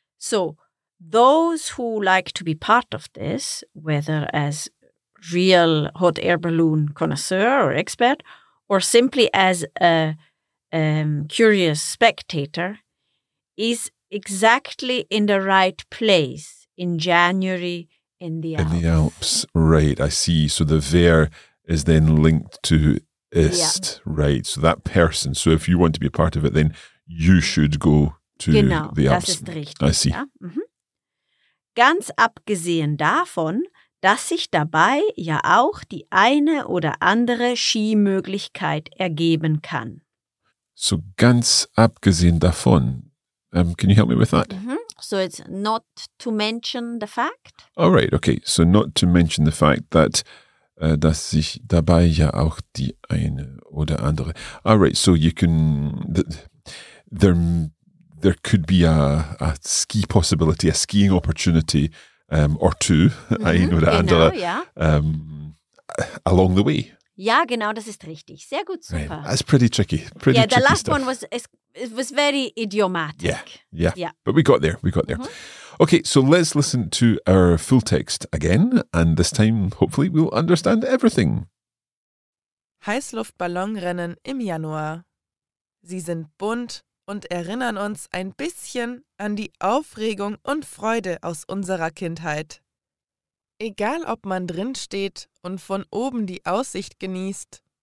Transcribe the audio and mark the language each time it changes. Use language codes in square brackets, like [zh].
[en] So, those who like to be part of this, whether as real hot air balloon connoisseur or expert, or simply as a curious spectator, is exactly in the right place in January. In the Alps. Right, I see. So the ver is then linked to ist, right? So that person. So if you want to be a part of it, then you should go to the Alps. [de] Genau, das ist richtig. [en] I see. [de] Ja? Ganz abgesehen davon, dass sich dabei ja auch die eine oder andere Skimöglichkeit ergeben kann. So ganz abgesehen davon. [en] Can you help me with that? So it's not to mention the fact. All right, okay. So not to mention the fact that [de] dass sich dabei ja auch die eine oder andere. [en] All right, so you can there could be a ski possibility, a skiing opportunity or two, [de] ein oder genau, [en] andere, along the way. [de] Ja, genau, das ist richtig. Sehr gut, super. [en] Right. That's pretty tricky. Pretty Yeah, the last stuff. One was it was very idiomatic. Yeah, yeah, yeah. But we got there. We got there. Mm-hmm. Okay, so let's listen to our full text again, and this time hopefully we'll understand everything. [de] Heißluftballonrennen im Januar. Sie sind bunt und erinnern uns ein bisschen an die Aufregung und Freude aus unserer Kindheit. Egal, ob man drin steht und von oben die Aussicht genießt